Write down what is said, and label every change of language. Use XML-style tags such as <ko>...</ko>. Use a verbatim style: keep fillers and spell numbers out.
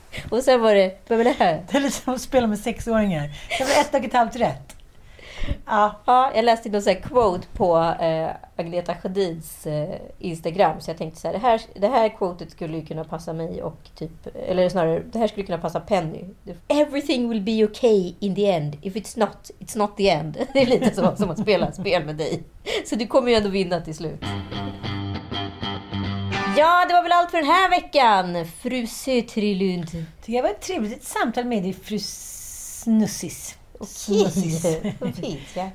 <sv>Och sen var det, vad var det här? Det är lite som att spela med sexåringar. Det var ett och ett halvt rätt. Ja, ja, jag läste någon sån här quote på eh, Agneta Sjödins eh, Instagram. Så jag tänkte så här, det här, det här quotet skulle ju kunna passa mig och typ, eller snarare, det här skulle kunna passa Penny.</sv> <en>Everything will be okay in the end. If it's not, it's not the end.</en> <sv>Det är lite som, som att spela spel med dig. Så du kommer ju ändå vinna till slut. Ja, det var väl allt för den här veckan. Fru Sötrilund. Tycker jag var ett trevligt samtal med dig, fru Snussis. Okej, okay. ja.</sv>